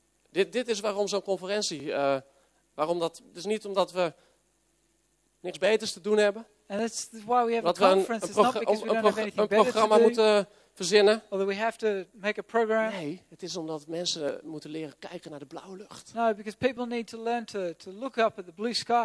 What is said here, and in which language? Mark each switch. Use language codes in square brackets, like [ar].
[nl] Dit is waarom zo'n conferentie, waarom dat, dus niet omdat we niks beters te doen hebben. [en] And that's why we have a conference. It's not because we don't have anything better to do. [nl] Een programma moeten verzinnen. [en] Or that we have to make a program. [nl] Nee, het is omdat mensen moeten leren kijken naar de blauwe lucht. [en] No, because people need to learn to look up at the blue sky.